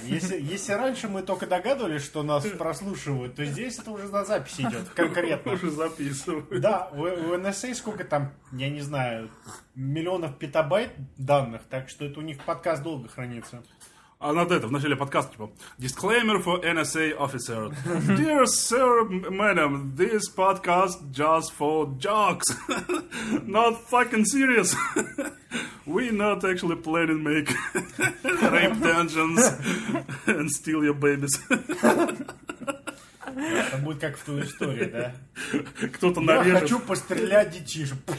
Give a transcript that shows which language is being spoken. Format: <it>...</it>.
<ru>Если раньше мы только догадывались, что нас прослушивают, то здесь это уже на запись идет конкретно. Уже записывают. Да, у NSA сколько там, я не знаю, 1 000 000 петабайт данных, так что это у них подкаст долго хранится. А надо это, в начале подкаста, типа,</ru> <en>disclaimer for NSA officer. Dear sir, madam, this podcast just for jokes. Not fucking serious. We not actually planning make rape dungeons and steal your babies.</en> <ru>Это будет как в той истории, да? Кто-то нарежет. Я хочу пострелять детишек.</ru>